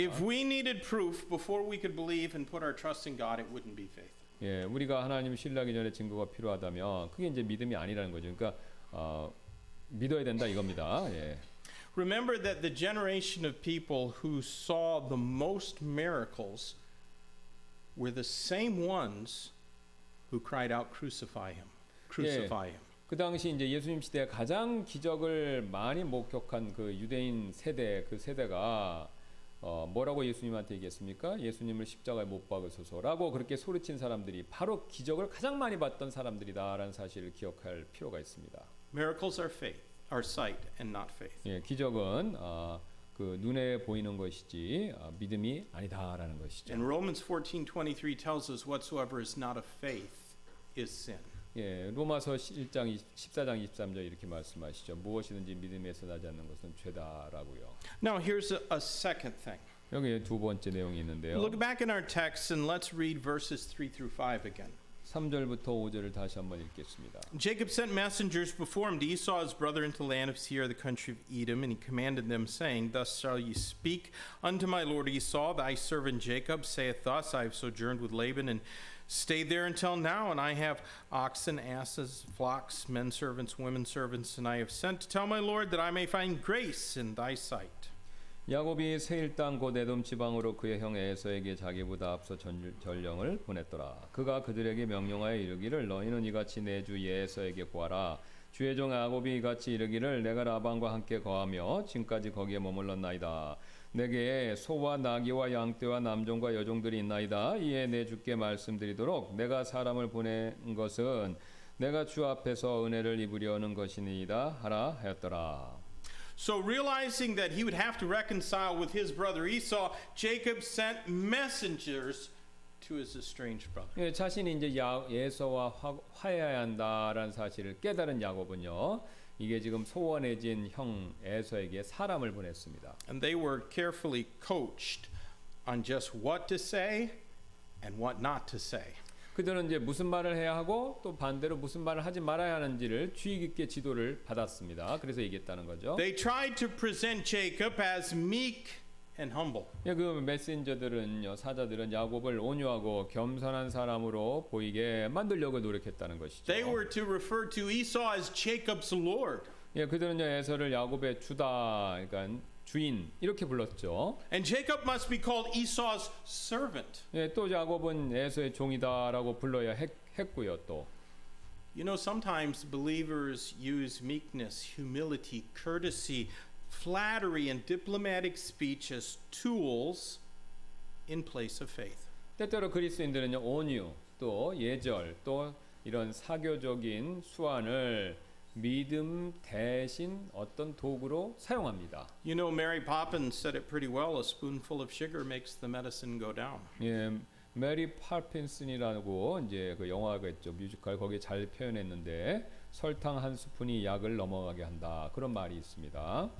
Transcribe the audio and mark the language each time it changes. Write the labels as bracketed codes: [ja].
[en] If we needed proof before we could believe and put our trust in God, it wouldn't be faith. [ko] 예, 우리가 하나님을 신뢰하기 전에 증거가 필요하다면 그게 이제 믿음이 아니라는 거죠. 그러니까 믿어야 된다 이겁니다. 예. [en] Remember that the generation of people who saw the most miracles were the same ones who cried out, "Crucify him! Crucify him!" [ko] 그 당시 이제 예수님 시대에 가장 기적을 많이 목격한 그 유대인 세대 그 세대가 뭐라고 예수님한테 얘기했습니까? 예수님을 십자가에 못 박으소서라고 그렇게 소리친 사람들이 바로 기적을 가장 많이 봤던 사람들이다라는 사실을 기억할 필요가 있습니다. [en] Miracles are faith, are sight and not faith. [ko] 예, 기적은 그 눈에 보이는 것이지 믿음이 아니다라는 것이죠. [en] And Romans 14:23 tells us whatsoever is not of faith is sin. [ko] 예, 로마서 1장 14장 23절 이렇게 말씀하시죠. 무엇이든지 믿음에서 나지 않는 것은 죄다라고요. [en] Now here's a second thing. [ko] 여기 두 번째 내용이 있는데요. [en] Look back in our text and let's read verses 3 through 5 again. [ko] 3절부터 5절을 다시 한번 읽겠습니다. [en] Jacob sent messengers before him to Esau his brother into the land of Seir, the country of Edom, and he commanded them, saying, "Thus shall ye speak unto my lord Esau, thy servant Jacob saith thus, I have sojourned with Laban and stayed there until now, and I have oxen, asses, flocks, men servants, women servants, and I have sent to tell my lord that I may find grace in thy sight." [ko] 야곱이 세일 땅 곧 에돔 지방으로 그의 형 에서에게 자기보다 앞서 전령을 보냈더라. 그가 그들에게 명령하여 이르기를 너희는 이같이 내 주 에서에게 구하라. 주의 종 야곱이 이같이 이르기를 내가 라반과 함께 거하며 지금까지 거기에 머물렀나이다. 내게 소와 나귀와 양떼와 남종과 여종들이 있나이다. 이에 내 주께 말씀드리도록 내가 사람을 보낸 것은 내가 주 앞에서 은혜를 입으려는 것이니이다 하라 하였더라. [en] So realizing that he would have to reconcile with his brother Esau, Jacob sent messengers to his estranged brother. [ko] 예, 자신이 이제 에서와 화해해야 한다라는 사실을 깨달은 야곱은요, 이게 지금 소원해진 형 에서에게 사람을 보냈습니다. [en] And they were carefully coached on just what to say and what not to say. [ko] 그들은 이제 무슨 말을 해야 하고 또 반대로 무슨 말을 하지 말아야 하는지를 주의 깊게 지도를 받았습니다. 그래서 얘기했다는 거죠. [en] They tried to present Jacob as meek and humble. [ko] 예, 그 메신저들은요, 사자들은 야곱을 온유하고 겸손한 사람으로 보이게 만들려고 노력했다는 것이죠. [en] They were to refer to Esau as Jacob's Lord. [ko] 예, 그들은요, 에서를 야곱의 주다, 그러니까 주인 이렇게 불렀죠. [en] And Jacob must be called Esau's servant. [ko] 예, 또 야곱은 에서의 종이다라고 불러야 했고요, 또. [en] You know, sometimes believers use meekness, humility, courtesy, flattery, and diplomatic speech as tools in place of faith. [ko] 때때로 그리스인들은요 온유 또 예절 또 이런 사교적인 수완을 믿음 대신 어떤 도구로 사용합니다. [en] You know, Mary Poppins said it pretty well. A spoonful of sugar makes the medicine go down. [ko] 예, 메리 팝핀슨이라고 이제 그 영화가 있죠, 뮤지컬 거기에 잘 표현했는데 설탕 한 스푼이 약을 넘어가게 한다 그런 말이 있습니다.